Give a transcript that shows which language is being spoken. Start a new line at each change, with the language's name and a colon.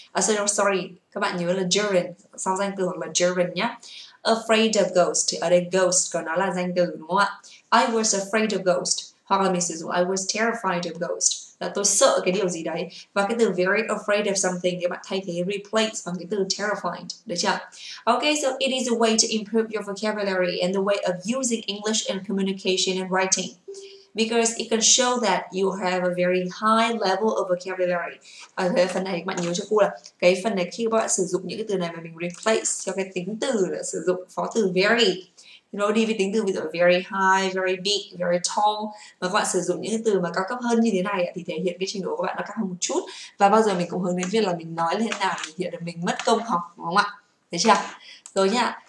Vietnamese: Sorry, các bạn nhớ là gerund sau danh từ hoặc là gerund nhé.
English: Afraid of ghost
Vietnamese: thì ở đây ghost của nó là danh từ đúng không ạ?
English: I was afraid of ghost.
Vietnamese: Hoặc là mình sử dụng
English: I was terrified of ghost,
Vietnamese: là tôi sợ cái điều gì đấy. Và cái từ very afraid of something các bạn thay thế replace bằng cái từ terrified, được chưa?
English: Ok, so it is a way to improve your vocabulary and the way of using English and communication and writing. Because it can show that you have a very high level of vocabulary.
Vietnamese: Ở phần này các bạn nhớ cho cô là cái phần này khi các bạn sử dụng những cái từ này mà mình replace cho cái tính từ là sử dụng phó từ very Nó đi với tính từ ví dụ very high, very big, very tall. Mà các bạn sử dụng những từ mà cao cấp hơn như thế này thì thể hiện cái trình độ của bạn nó cao hơn một chút. Và bao giờ mình cũng hướng đến việc là mình nói lên nào thể hiện được mình mất công học, đúng không ạ? Thấy chưa? Rồi nhá.